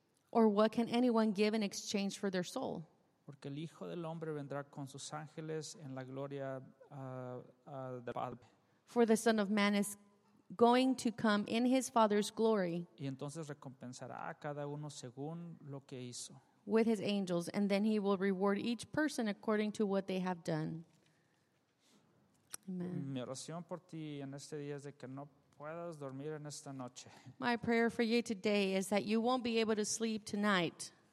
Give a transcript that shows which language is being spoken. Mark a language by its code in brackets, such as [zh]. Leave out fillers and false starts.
[en] Or what can anyone give in exchange for their soul? [es] Porque el Hijo del Hombre vendrá con sus ángeles en la gloria del Padre. [en] For the Son of Man is going to come in his Father's glory. [es] Y entonces recompensará a cada uno según lo que hizo. [en] With his angels, and then he will reward each person according to what they have done. Amen. [es] Mi oración por ti en este día es de que no puedas dormir en esta noche. [en] My prayer for you today is that you won't be able to sleep tonight.